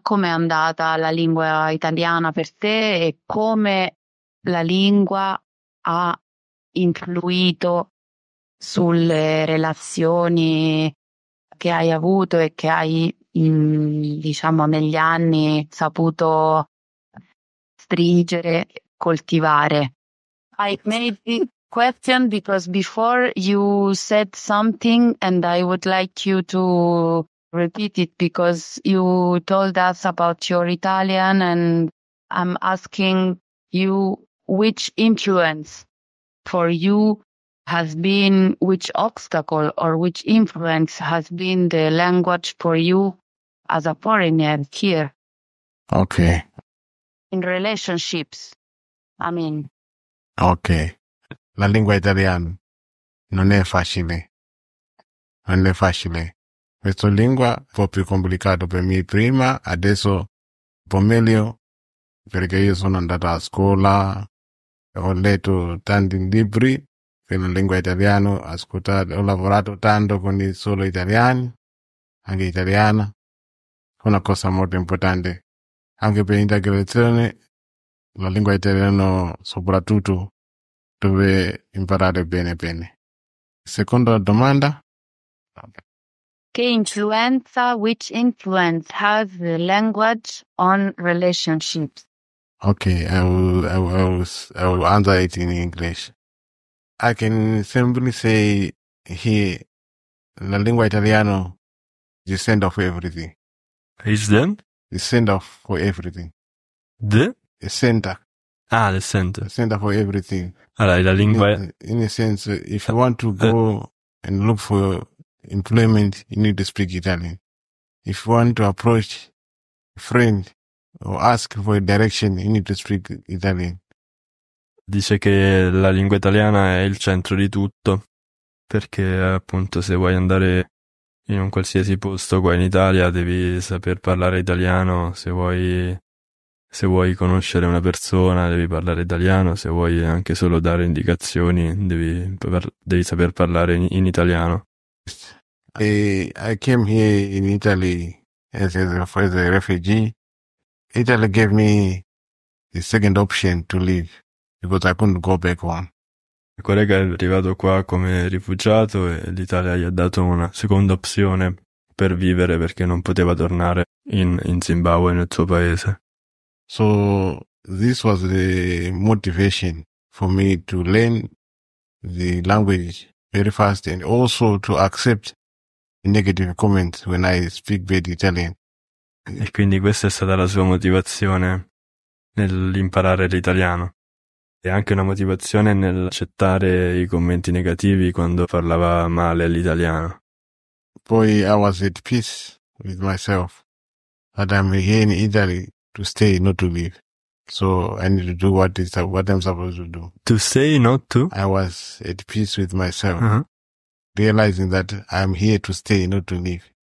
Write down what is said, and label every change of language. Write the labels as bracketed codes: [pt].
[it] Com'è andata la lingua italiana per te e come la lingua ha influito sulle relazioni che hai avuto e che hai, diciamo, negli anni saputo stringere, coltivare? [en] I made the question because before you said something and I would like you to repeat it because you told us about your Italian and I'm asking you which influence for you has been, which obstacle or which influence has been the language for you as a foreigner here? Okay. In relationships, I mean. [it] Ok, la lingua italiana non è facile, non è facile. Questa lingua è un po' più complicata per me prima, adesso un po' meglio, perché io sono andato a scuola, ho letto tanti libri per la lingua italiana, ascoltato, ho lavorato tanto con i solo italiani, anche italiana, è una cosa molto importante. Anche per l'integrazione, la lingua italiana soprattutto dove imparare bene bene. Seconda domanda. Che influenza, [en] which influence has the language on relationships? Okay, I will answer it in English. I can simply say here, [it] la lingua italiana [en] is the center of everything. Is then? The center for everything. The center. Ah, the center. The center for everything. [it] Allora, la lingua. [en] In a sense, if you want to go and look for employment, you need to speak Italian. If you want to approach a friend or ask for a direction, you need to speak Italian. [it] Dice che la lingua italiana è il centro di tutto, perché appunto se vuoi andare in un qualsiasi posto qua in Italia devi saper parlare italiano, se vuoi conoscere una persona devi parlare italiano, se vuoi anche solo dare indicazioni devi saper parlare in italiano. [en] I came here in Italy as a refugee. Italy gave me the second option to leave because I couldn't go back home. [it] Corega è arrivato qua come rifugiato e l'Italia gli ha dato una seconda opzione per vivere perché non poteva tornare in Zimbabwe, nel suo paese. [en] So this was the motivation for me to learn the language very fast and also to accept negative comments when I speak bad Italian. [it] E quindi questa è stata la sua motivazione nell'imparare l'italiano. E anche una motivazione nell'accettare i commenti negativi quando parlava male l'italiano. Poi [en] I was at peace with myself that I'm here in Italy to stay, not to leave. So I need to do what I'm supposed to do. To stay, not to? I was at peace with myself, uh-huh. Realizing that I'm here to stay, not to leave.